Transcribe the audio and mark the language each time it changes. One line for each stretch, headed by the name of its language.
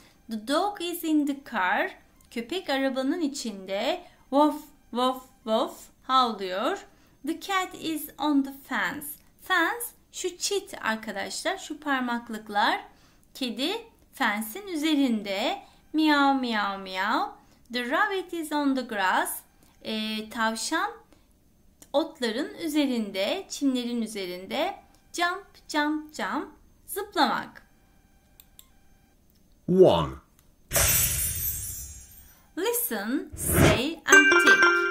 English: The dog is in the car.
Turkish: Köpek arabanın içinde.
English: Woof woof woof,
Turkish: havlıyor.
English: The cat is on the fence.
Turkish: Fence şu çit arkadaşlar, şu parmaklıklar. Kedi fensin üzerinde. Meow meow meow.
English: The rabbit is on the grass.
Turkish: Tavşan otların üzerinde, çimlerin üzerinde.
English: Jump jump jump,
Turkish: zıplamak.
English: 1. Listen, say and tick.